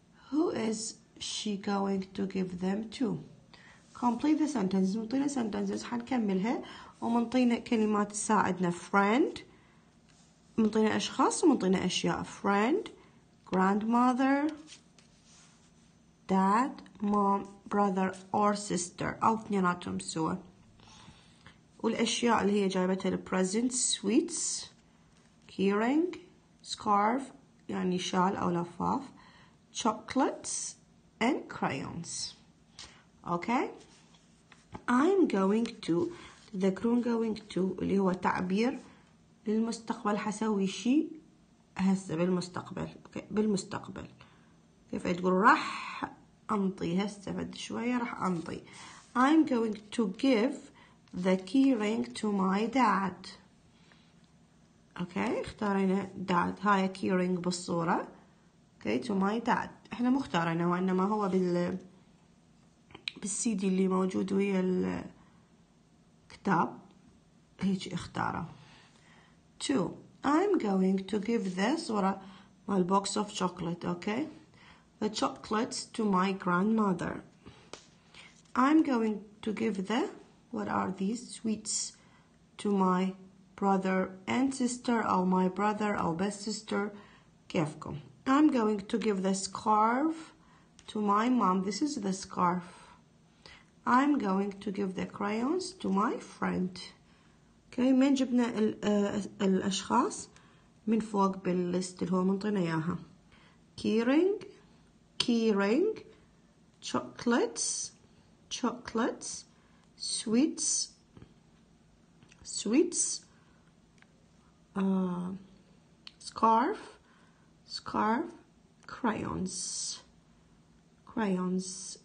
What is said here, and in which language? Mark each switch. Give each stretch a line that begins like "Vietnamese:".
English: Who is she going to give them to؟ Complete the sentences.
Arabic: منطينا sentences حنكملها ومنطينا كلمات تساعدنا friend، منطينا أشخاص ومنطينا أشياء friend,
English: grandmother, dad, mom, brother or sister
Arabic: أو اثنيناتهم سوا. والأشياء اللي هي جايبتها ال
English: presents, sweets, keyring, scarf
Arabic: يعني شال أو لفاف,
English: chocolates and crayons. Okay, I'm going to تذكرون going to
Arabic: اللي هو تعبير للمستقبل. حسوي شيء هسه بالمستقبل. okay. بالمستقبل كيف تقول راح أنطي هسه بعد شوية راح أنطي.
English: I'm going to give the key ring to my dad. okay.
Arabic: اختارينا dad هاي key ring بالصورة. okay.
English: to my dad
Arabic: احنا مختارينه وانما هو بالسي دي اللي موجود ويا الكتاب هيك اختاره.
English: to I'm going to give this or my box of chocolate. okay. the chocolates to my grandmother. I'm going to give the what are these sweets to my brother and sister or my brother or best sister.
Arabic: كيفكم.
English: I'm going to give the scarf to my mom. This is the scarf. I'm going to give the crayons to my friend. okay.
Arabic: من جبنا الأشخاص من فوق بالليست اللي هو منطينا إياها.
English: keyring, keyring, chocolates, chocolates, sweets, sweets, scarf, scarf, crayons, crayons.